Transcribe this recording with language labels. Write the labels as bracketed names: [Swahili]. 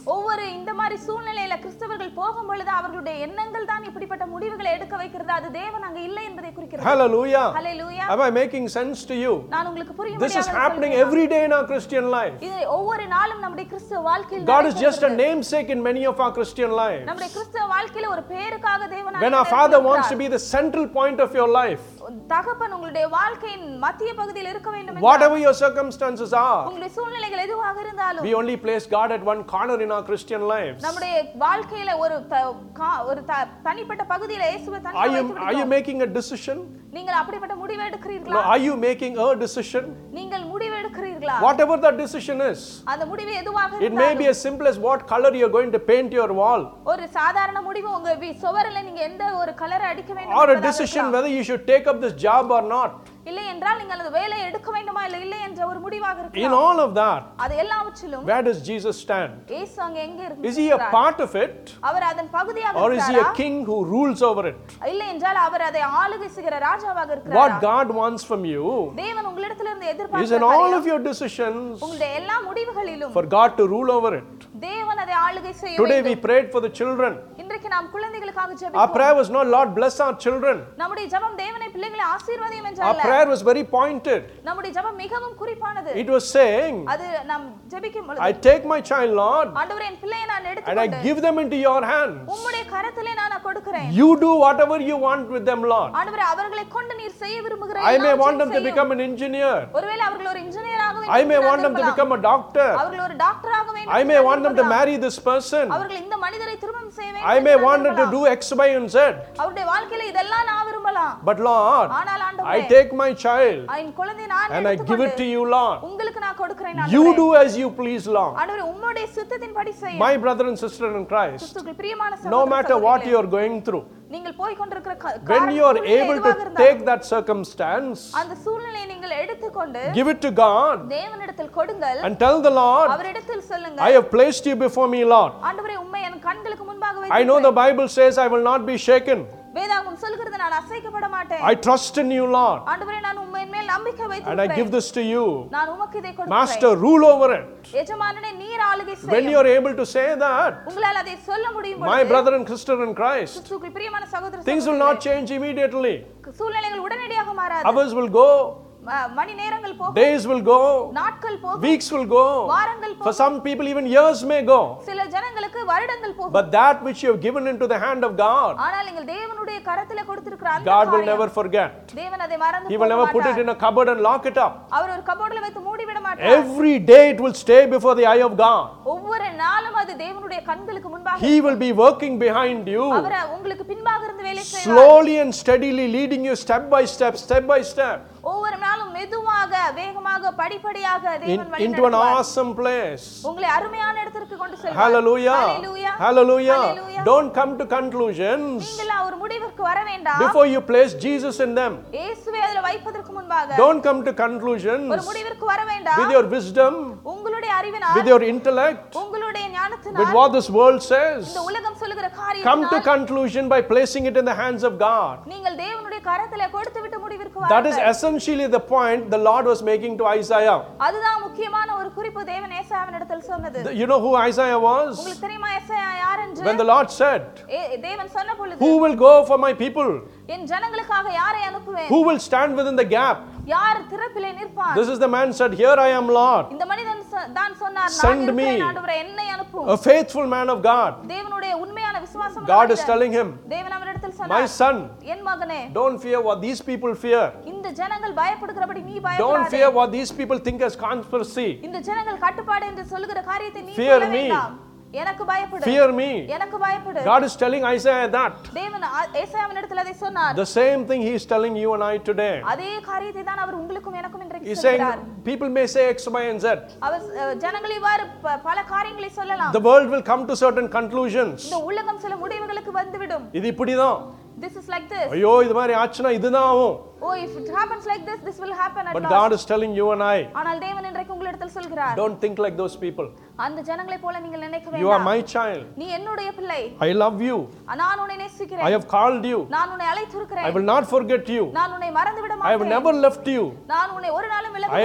[Tamil] ஒவ்வொரு இந்த மாதிரி சூழ்நிலையில கிறிஸ்தவர்கள் போகும் பொழுது அவர்களுடைய எண்ணங்கள் தான் இப்படிப்பட்ட முடிவுகளை எடுக்க வைக்கிறது அது தேவன் அங்க இல்லை என்பதை குறிக்கிறது [English] ஹalleluya hallelujah am I making sense to you [Tamil] நான் உங்களுக்கு புரியும் [English] this is happening every day in our christian life [Tamil] இது ஒவ்வொரு நாளும் நம்முடைய கிறிஸ்தவ வாழ்க்கையில் [English] god is just a namesake in many of our christian lives [Tamil] நம்முடைய கிறிஸ்தவ வாழ்க்கையில ஒரு பெயருக்காக தேவன் [English] when our father wants to be the central point of your life [Tamil] தகப்பன் உங்களுடைய வாழ்க்கையின் மத்திய பகுதியில் இருக்க வேண்டும் [English] whatever your circumstances are [Tamil] உங்கள் சூழ்நிலைகள் எதுவாக இருந்தாலும் [English] we only place god at one corner in our christian lives [Tamil] நம்முடைய வாழ்க்கையில ஒரு தனிப்பட்ட பகுதியில் இயேசுவை தனி [English] are you making a decision [Tamil] நீங்கள் அப்படிப்பட்ட முடிவு எடுக்கிறீர்களா [English] are you making a decision [Tamil] நீங்கள் முடிவு எடுக்கிறீர்களா [English] whatever that decision is [Tamil] அந்த முடிவு எதுவாக இருந்தாலும் [English] it may be as simple as what color you are going to paint your wall [Tamil] ஒரு சாதாரண முடிவு உங்க சுவரில நீங்க எந்த ஒரு கலர் அடிக்க வேண்டும் [English] or a decision whether you should take up this job or not [Tamil] இல்ல என்றால் நீங்கள் அந்த வேலை எடுக்க வேண்டுமா இல்ல இல்லை என்ற ஒரு முடிவாக இருக்கலாம் [English] in all of that [Tamil] அது எல்லாவற்றிலும் [English] where does jesus stand [Tamil] இயேசு அங்க எங்க இருக்கிறார் [English] is he a part of it [Tamil] அவர் அதன் பகுதியாக இருக்கிறாரா [English] or is he a king who rules over it [Tamil] இல்ல என்றால் அவர் அதை ஆளுகை செய்கிற ராஜாவாக இருக்கிறாரா [English] what god wants from you [Tamil] தேவன் உங்களிடத்திலிருந்து எதிர்பார்க்கிறார் [English] is in all of your decisions [Tamil] உங்களுடைய எல்லா முடிவுகளிலும் [English] for god to rule over it [Tamil] தேவன் அதை ஆளுகை செய்ய வேண்டும் [English] today we prayed for the children [Tamil] இன்றைக்கு நாம் குழந்தைகளுக்காக ஜெபிப்போம் [English] our prayer was not lord bless our children [Tamil] நம்முடைய ஜெபம் தேவனை பிள்ளைகளை ஆசீர்வதியும் என்ற அல்ல [English] prayer was very pointed [Tamil] நம்முடைய ஜெபம் மிகவும் குறிப்பானது [English] it was saying [Tamil] அது நாம் ஜெபிக்கும் பொழுது [English] I take my child lord [Tamil] ஆண்டவரே என் பிள்ளையை நான் எடுத்து [English] and I give them into your hands [Tamil] உம்முடைய கரத்திலே நான் கொடுக்கிறேன் [English] you do whatever you want with them lord [Tamil] ஆண்டவரே அவர்களை கொண்டு நீர் செய்ய விரும்புகிறீர்கள் [English] I may want them to become an engineer [Tamil] ஒருவேளை அவர்கள் ஒரு இன்ஜினியர் ஆக வேண்டும் [English] I may want them to become a doctor [Tamil] அவர்கள் ஒரு டாக்டர் ஆக வேண்டும் [English] I may want them to marry this person [Tamil] அவர்கள் இந்த மனிதரை திருமணம் செய்ய [English] I may want to do x by and z [Tamil] அவருடைய வாழ்க்கையில இதெல்லாம் நான் விரும்பலாம் [English] but lord [Tamil] ஆனால் ஆண்டவரே [English] I take my child [Tamil] ஐன் குழந்தையை நான் [English] and I give it to you lord [Tamil] உங்களுக்கு நான் கொடுக்கிறேன் [English] you do as you please lord [Tamil] ஆண்டவரே உம்முடைய சித்தத்தின்படி செய் [English] my brother and sister in christ [Tamil] கிறிஸ்துவுக்கு பிரியமான சகோதர [English] no matter what you are going through [Tamil] நீங்கள் போய் கொண்டிருக்கிற [English] when you are able to take that circumstance [Tamil] அந்த சூழ்நிலையை நீங்கள் எடுத்துக்கொண்டு [English] give it to god [Tamil] தேவனிடத்தில் கொடுங்கள் [English] and tell the lord [Tamil] அவரிடத்தில் சொல்லுங்கள் [English] I have placed you before me lord [Tamil] ஆண்டவரே உம்மை என் கண்களுக்கு முன்பாக வைத்து [English] I know the bible says I will not be shaken [Tamil] வேதாகமம் சொல்கிறது நான் அசைக்கப்பட மாட்டேன் [English] I trust in you lord [Tamil] ஆண்டவரே நான் உம்மை மேல் நம்பிக்கை வைத்திருக்கிறேன் [English] and I give this to you [Tamil] நான் உமக்கு இதை கொடுக்கிறேன் [English] master rule over it [Tamil] எஜமானனே நீர் ஆளுகை செய் [English] when you are able to say that [Tamil] உங்களால அதை சொல்ல முடியும் [English] my brother and sister in christ [Tamil] கிறிஸ்துவுக்கு பிரியமான சகோதர சகோதரி [English] things will not change immediately [Tamil] சூழ்நிலைகள் உடனடியாக மாறாது [English] hours will go [Tamil] மணி நேரங்கள் போகும் [English] days will go [Tamil] நாட்கள் போகும் [English] weeks will go [Tamil] வாரங்கள் போகும் [English] for some people even years may go [Tamil] சில ஜனங்களுக்கு வருடங்கள் போகும் [English] but that which you have given into the hand of god [Tamil] ஆனால் நீங்கள் தேவனுடைய கரத்திலே கொடுத்திருக்கிற அந்த காரியம் [English] god will never forget [Tamil] தேவன் அதை மறந்து [English] he will never put it in a cupboard and lock it up [Tamil] அவர் ஒரு கபோர்டில் வைத்து மூடி விட மாட்டார் [English] every day it will stay before the eye of god [Tamil] ஒவ்வொரு நாளும் அது தேவனுடைய கண்களுக்கு முன்பாக [English] he will be working behind you [Tamil] அவர் உங்களுக்கு பின்பாக இருந்து வேலை செய்வார் [English] slowly and steadily leading you step by step [Tamil] ஒவ்வொரு நாளும் மெதுவாக வேகமாக படிப்படியாக [English] into an awesome place [Tamil] உங்களை அருமையான இடத்திற்கு கொண்டு செல்வார் [English] hallelujah hallelujah hallelujah don't come to conclusions [Tamil] நீங்கள் ஒரு முடிவுக்கு வரவேண்டாம் [English] before you place jesus in them [Tamil] இயேசுவை அதிலே வைப்பதற்கு முன்பாக [English] don't come to conclusions [Tamil] ஒரு முடிவுக்கு வரவேண்டாம் [English] with your wisdom [Tamil] உங்களுடைய அறிவினால் [English] with your intellect [Tamil] உங்களுடைய ஞானத்தினால் [English] with what this world says [Tamil] இந்த உலகம் சொல்லுகிற காரியத்தை [English] come to conclusion by placing it in the hands of god [Tamil] நீங்கள் தேவனுடைய கரத்திலே கொடுத்து விட்டு முடிவுக்கு வர [English] that is essentially the point the lord was making to isaiah [Tamil] அதுதான் முக்கியமான ஒரு குறிப்பு தேவன் ஏசாயாவின் இடத்தில் சொன்னது [English] you know who isaiah was [Tamil] உங்களுக்கு தெரியுமா ஏசாயா யார் என்று [English] when the lord said [Tamil] தேவன் சொன்னபொழுது [English] who will go for my people [Tamil] என் ஜனங்களுக்காக யாரை அனுப்புவேன் [English] who will stand within the gap [Tamil] யார் திறப்பிலே நிற்பார் [English] this is the man said here i am lord [Tamil] இந்த மனிதன் தான் சொன்னார் [English] send me a faithful man of god [Tamil] தேவனுடைய உண்மையான விசுவாசம் [English] god is telling him [Tamil] தேவன் அவரிடத்தில் சொன்னார் [English] my son [Tamil] என் மகனே [English] don't fear what these people fear [Tamil] இந்த ஜனங்கள் பயப்படுகிறபடி நீ பயப்படாதே [English] don't fear what these people think as conspiracy [Tamil] இந்த ஜனங்கள் கட்டுப்பாடு என்று சொல்லுகிற காரியத்தை நீ [English] fear me [Tamil] எனக்கு பயப்படு [English] fear me [Tamil] எனக்கு பயப்படு [English] god is telling isaiah that [Tamil] தேவன் ஏசாயாவின் இடத்தில் அதை சொன்னார் [English] the same thing he is telling you and i today [Tamil] அதே காரியத்தை தான் அவர் உங்களுக்கும் எனக்கும் இன்றைக்கு சொல்றார் [English] people may say x y and z [Tamil] அவர் ஜனங்களை வார பல காரியங்களை சொல்லலாம் [English] the world will come to certain conclusions [Tamil] இந்த உலகம் சில முடிவுகளுக்கு வந்துவிடும் இது இப்படிதான் [English] this is like this [Tamil] ஐயோ இது மாதிரி ஆச்சுனா இதுதான் ஆகும் [English] oh if it happens like this this will happen at but last but god is telling you and i [Tamil] ஆனால் தேவன் இன்றைக்கு உங்களிடத்தில் சொல்கிறார் [English] don't think like those people [Tamil] அந்த ஜனங்களைப் போல நீங்கள் நினைக்க வேண்டாம் [English] you are my child [Tamil] நீ என்னுடைய பிள்ளை [English] i love you [Tamil] நான் உன்னை நேசிக்கிறேன் [English] i have called you [Tamil] நான் உன்னை அழைத்து இருக்கிறேன் [English] i will not forget you [Tamil] நான் உன்னை மறந்து விட மாட்டேன் [English] i have never left you [Tamil] நான் உன்னை ஒரு நாளும் விலகவில்லை